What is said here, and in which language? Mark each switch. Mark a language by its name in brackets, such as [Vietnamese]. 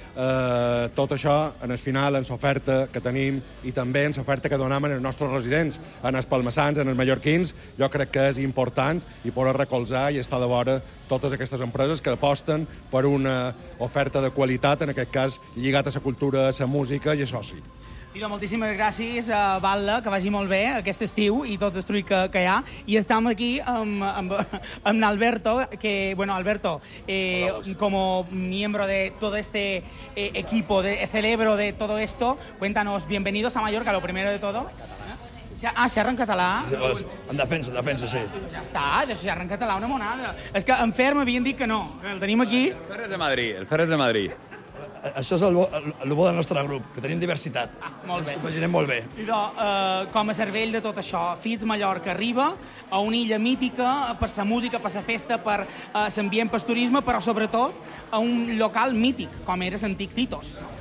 [Catalan] tot això en el final, en l'oferta que tenim i també en l'oferta que donem als nostres residents, en els palmassans, en els mallorquins, jo crec que és important i poder recolzar i estar de vora totes aquestes empreses que aposten per una oferta de qualitat, en aquest cas lligat a la cultura, a la música i a soci. Idò, moltíssimes gràcies, Batla, que vagi molt bé aquest estiu i tot el truc que hi ha. I estem aquí amb Alberto, [Spanish] que, bueno, Alberto, como miembro de todo este equipo, de celebro de todo esto, cuéntanos, bienvenidos a Mallorca, lo primero de todo. [Catalan] Ah, xerra en català. En defensa, sí. Ja està, xerra en català, una monada. És que en Fer m'havien dit que no, el tenim aquí. El Fer és de Madrid. Això és el bo del nostre grup, que tenim diversitat. Molt bé. Ens imaginem molt bé. Idò, com a cervell de tot això, Fitz Mallorca arriba a una illa mítica per sa música, per sa festa, per l'ambient, per turisme, però sobretot a un local mític, com era l'antic Titos.